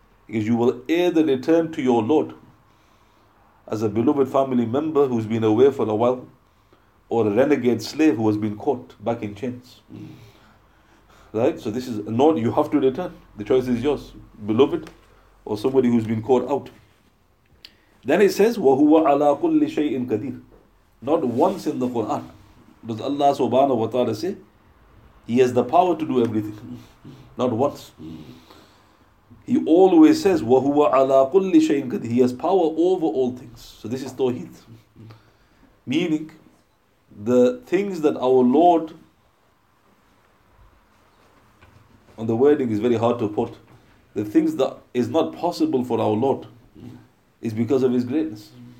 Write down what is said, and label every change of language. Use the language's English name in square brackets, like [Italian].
[English] Because you will either return to your Lord as a beloved family member who's been away for a while, or a renegade slave who has been caught back in chains. Right? So this is not, you have to return. The choice is yours. Beloved, or somebody who's been caught out. Then it says, [Arabic] وَهُوَ عَلَىٰ كُلِّ شَيْءٍ قَدِيرٍ. [English] Not once in the Quran does Allah subhanahu wa ta'ala say He has the power to do everything. Not once. He always says, [Arabic] وَهُوَ عَلَىٰ كُلِّ شَيْءٍ قَدِيرٍ. [English] He has power over all things. So this is Tawheed. Meaning, the things that our Lord, and the wording is very hard to put, the things that is not possible for our Lord is because of His greatness.